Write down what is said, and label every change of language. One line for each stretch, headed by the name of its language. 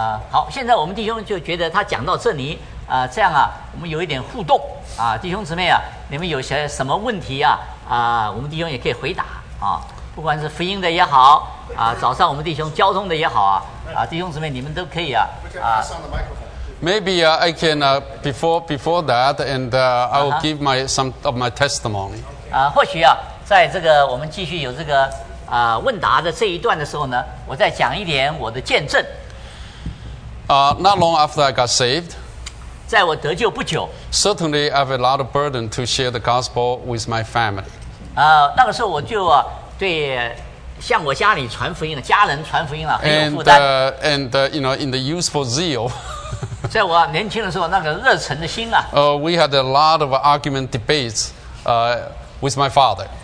Chinese: 好，现在我们弟兄就觉得他讲到这里，这样我们有一点互动弟兄姊妹你们有些什么问题我们弟兄也可以回答不管是福音的也好早上我们弟兄交通的也好弟兄姊妹你们都可以
English: Maybe I can before that and I will give my some of my testimony.
Chinese: 或许在这个我们继续有这个问答的这一段的时候呢，我再讲一点我的见证。
English: Not long after I got saved.
Chinese: 在我得救不久。
English: Certainly, I have a lot of burden to share the gospel with my family.
Chinese: 那个时候我就对。向我家里传福音了，家人传福音了，很有负
English: 担。And you know, in the youthful zeal,
Chinese: 在我年轻的时候，那个热忱的心
English: We had a lot of argument debates, with my father.